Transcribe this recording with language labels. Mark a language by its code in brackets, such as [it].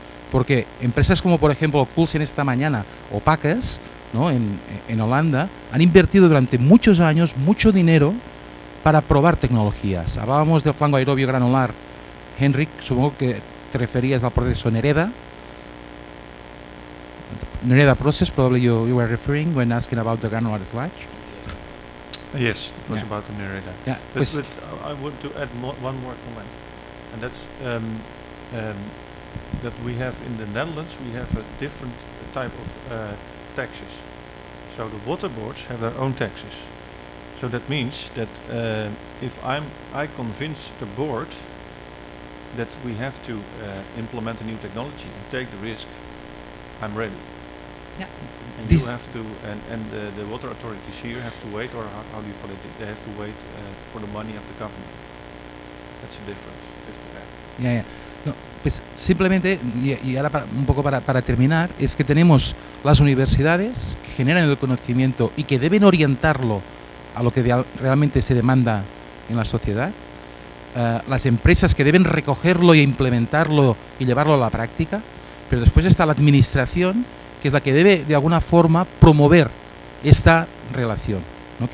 [es] Porque empresas como, por ejemplo, Coulsen esta mañana o Packers, ¿no? en Holanda, han invertido durante muchos años mucho dinero para probar tecnologías. Hablábamos del flanco aerobio granular, Henrik, supongo que te referías al proceso Nereda. [en] Nereda process, probably you were referring when asking about the granular sludge. Yes, it was about the Nereda. But I want to add one more comment, and that's that we have in the Netherlands, we have a different type of taxes. So the water boards have their own taxes. So that means that if I convince the board that we have to implement a new technology and take the risk, I'm ready. Yeah. And this you have to, and the water authorities here have to wait, or how do you call it? They have to wait for the money of the government. That's the difference. Yeah, yeah. [es] No, pues simplemente, y ahora para, un poco para terminar, es que tenemos las universidades que generan el conocimiento y que deben orientarlo a lo que realmente se demanda en la sociedad, las empresas que deben recogerlo e implementarlo y llevarlo a la práctica, pero después está la administración, que es la que debe de alguna forma promover esta relación, ¿no?